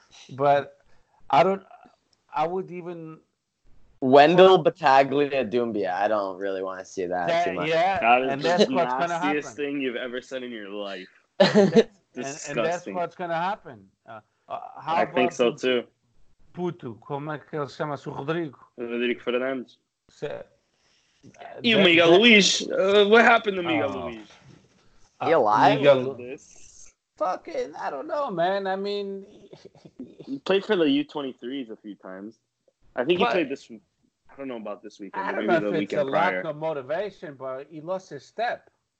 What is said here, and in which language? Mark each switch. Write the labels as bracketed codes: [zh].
[en] But I would even. Wendell, Bataglia, Doumbia. I don't really want to see that too much. Yeah. That is the nastiest thing you've ever said in your life. And that's what's going to happen. I think so too. [pt] Puto, como é que ele chama o Rodrigo? Rodrigo Fernandes. E o Miguel Luís? [en] What happened to Miguel Luís? He alive? Fucking, I don't know, man. I mean, he played for the U23s a few times. I think he played this. I don't know about this weekend. I don't know if it's a lack of motivation, but he lost his step.